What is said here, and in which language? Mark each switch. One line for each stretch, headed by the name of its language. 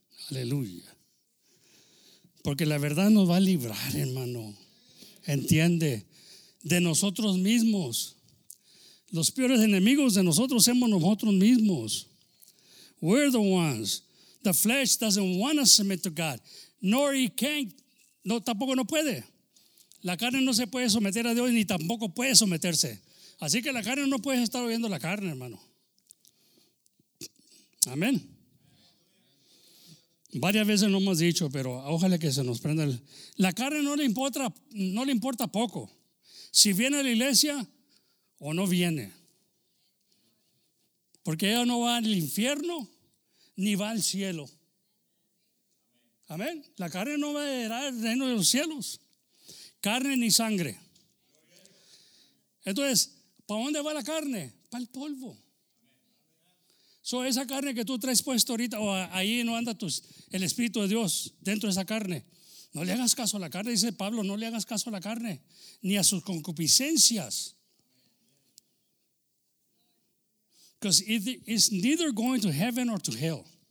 Spanish: Aleluya. Porque la verdad nos va a librar, hermano. ¿Entiende? De nosotros mismos. Los peores enemigos de nosotros somos nosotros mismos.
English: We're the ones. The flesh doesn't want to submit to God. Nor he can.
Spanish: No, tampoco no puede. La carne no se puede someter a Dios ni tampoco puede someterse. Así que la carne no puede estar oyendo la carne, hermano. Amén. Varias veces lo hemos dicho, pero ojalá que se nos prenda. La carne no le importa poco. Si viene a la iglesia o no viene. Porque ella no va al infierno ni va al cielo. Amén. La carne no va a heredar el reino de los cielos. Carne ni sangre. Entonces, ¿para dónde va la carne? Para el polvo. So, esa carne que tú traes puesto ahorita, ahí no anda el Espíritu de Dios dentro de esa carne. No le hagas caso a la carne, dice Pablo, no le hagas caso a la carne, ni a sus concupiscencias.
English: Because it's neither going to heaven or to hell.